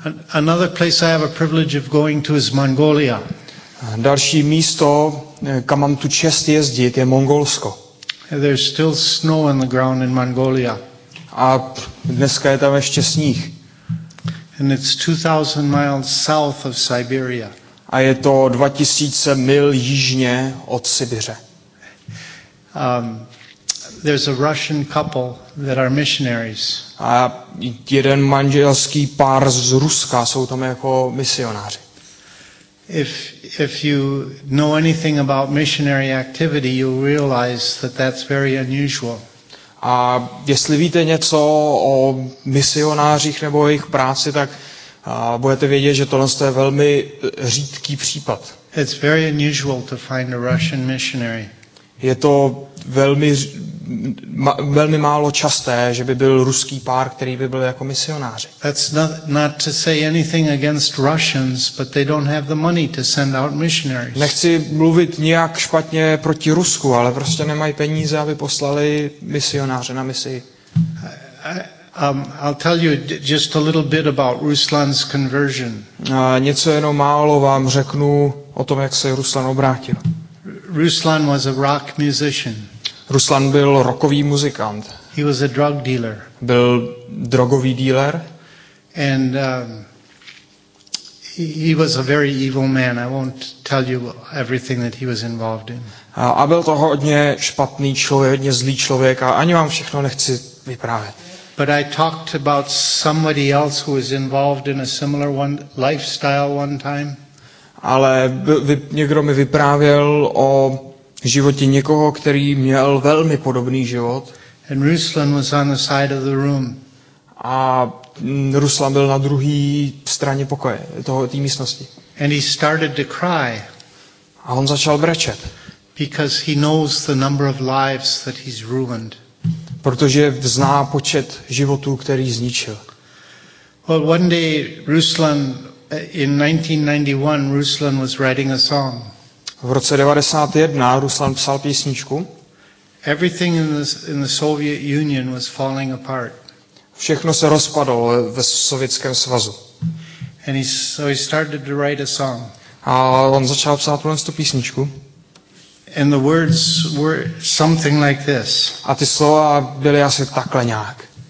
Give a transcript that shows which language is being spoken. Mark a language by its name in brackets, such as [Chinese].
[English] Another place I have a privilege of going to is Mongolia. [Czech] Další místo, kam mám tu čest jezdit, je Mongolsko. [English] There's still snow on the ground in Mongolia. [Czech] A dneska je tam ještě sníh. [English] And it's 2000 miles south of Siberia. [Czech] A je to 2000 mil jižně od Sibiře. [English] There's a Russian couple that are missionaries. [Czech] A jeden manželský pár z Ruska jsou tam jako misionáři. [English] If you know anything about missionary activity, you realize that that's very unusual. [Czech] A jestli víte něco o misionářích nebo o jejich práci, tak budete vědět, že tohle je velmi řídký případ. [English] It's very unusual to find a Russian missionary. [Czech] Je to velmi velmi málo časté, že by byl ruský pár, který by byl jako misionáři. [English] That's not to say anything against Russians, but they don't have the money to send out missionaries. [Czech] Nechci mluvit nijak špatně proti Rusku, ale prostě nemají peníze, aby poslali misionáře na misi. [English] I'll tell you just a little bit about Ruslan's conversion. [Czech] Něco jenom málo vám řeknu o tom, jak se Ruslan obrátil. [English] Ruslan was a rock musician. [Czech] Ruslan byl rockový muzikant. [English] He was a drug dealer. [Czech] Byl drogový dealer. [English] And he was a very evil man. I won't tell you everything that he was involved in. [Czech] A byl to hodně špatný člověk, hodně zlý člověk a ani vám všechno nechci vyprávět. [English] But I talked about somebody else who was involved in a similar one lifestyle one time. [Czech] Ale někdo mi vyprávěl o životě někoho, který měl velmi podobný život. [English] And Ruslan was on the side of the room. [Czech] A Ruslan byl na druhé straně pokoje, toho té místnosti. [English] And he started to cry. [Czech] A on začal brečet. [English] Because he knows the number of lives that he's ruined. [Czech] Protože zná počet životů, který zničil. [English] Well, one day Ruslan in 1991 Ruslan was writing a song. [Czech] V roce 91 Ruslan psal písničku. [English] Everything in the Soviet Union was falling apart. [Czech] Všechno se rozpadlo ve Sovětském svazu. [English] And he started to write a song. [Czech] A on začal psát tuhle písničku. [English] And the words were something like this. [Czech] A ty slova byly asi takhle nějak.